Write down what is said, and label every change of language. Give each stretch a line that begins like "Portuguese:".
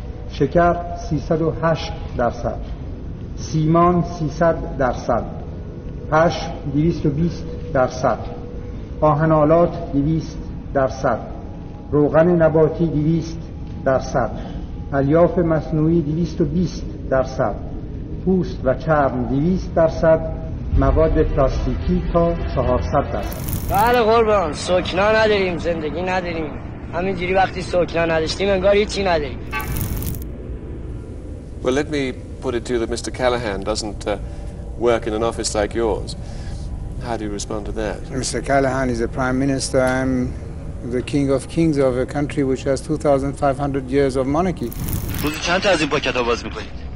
Persian: شکر 308%، سیمان 300%، پشم 220%، آهنالات 200%، روغن نباتی 200%، الیاف مصنوعی 220%، پوست و چرم 200%، مواد پلاستیکی تا 400%. بله قربان، سکنا نداریم، زندگی نداریم. همینجوری وقتی سکنا نداشتیم انگار هیچی نداریم.
English: Well, let me put it to you that Mr. Callahan doesn't work in an office like yours. How do you respond to that? Mr. Callahan is the Prime Minister. I'm the King of Kings of a country which has 2,500 years of monarchy.
Persian: روز چند تا از این پاکت ها باز میکنید؟